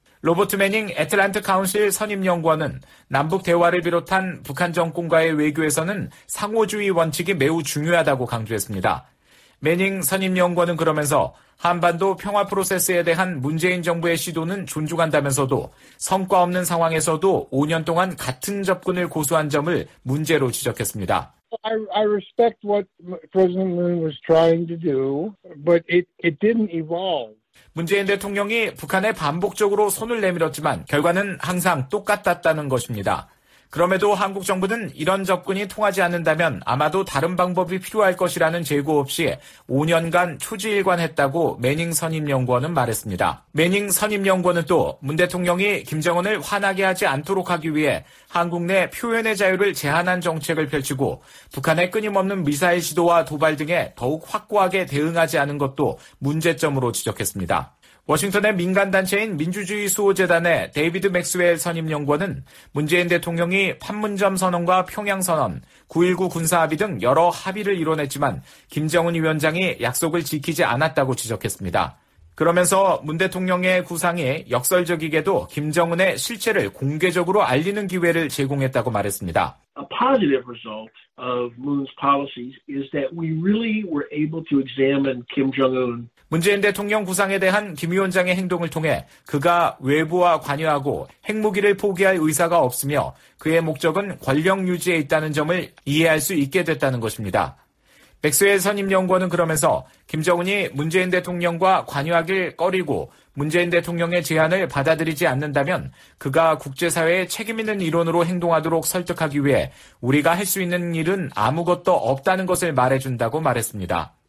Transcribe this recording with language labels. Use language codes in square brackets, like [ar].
[ko] 로버트 매닝 애틀랜트 카운실 선임연구원은 남북 대화를 비롯한 북한 정권과의 외교에서는 상호주의 원칙이 매우 중요하다고 강조했습니다. 매닝 선임연구원은 그러면서 한반도 평화 프로세스에 대한 문재인 정부의 시도는 존중한다면서도 성과 없는 상황에서도 5년 동안 같은 접근을 고수한 점을 문제로 지적했습니다. [en] I respect what President Moon was trying to do, but it didn't evolve. [ko] 문재인 대통령이 북한에 반복적으로 손을 내밀었지만 결과는 항상 똑같았다는 것입니다. 그럼에도 한국 정부는 이런 접근이 통하지 않는다면 아마도 다른 방법이 필요할 것이라는 제고 없이 5년간 초지일관했다고 매닝 선임연구원은 말했습니다. 매닝 선임연구원은 또 문 대통령이 김정은을 화나게 하지 않도록 하기 위해 한국 내 표현의 자유를 제한한 정책을 펼치고 북한의 끊임없는 미사일 시도와 도발 등에 더욱 확고하게 대응하지 않은 것도 문제점으로 지적했습니다. 워싱턴의 민간단체인 민주주의 수호재단의 데이비드 맥스웰 선임연구원은 문재인 대통령이 판문점 선언과 평양선언, 9.19 군사합의 등 여러 합의를 이뤄냈지만 김정은 위원장이 약속을 지키지 않았다고 지적했습니다. 그러면서 문 대통령의 구상이 역설적이게도 김정은의 실체를 공개적으로 알리는 기회를 제공했다고 말했습니다. [en] A positive result of Moon's policies is that we really were able to examine Kim Jong-un. [ko] 문재인 대통령 구상에 대한 김 위원장의 행동을 통해 그가 외부와 관여하고 핵무기를 포기할 의사가 없으며 그의 목적은 권력 유지에 있다는 점을 이해할 수 있게 됐다는 것입니다. 백수의 선임연구원은 그러면서 김정은이 문재인 대통령과 관여하길 꺼리고 문재인 대통령의 제안을 받아들이지 않는다면 그가 국제사회에 책임 있는 일원으로 행동하도록 설득하기 위해 우리가 할 수 있는 일은 아무것도 없다는 것을 말해준다고 말했습니다.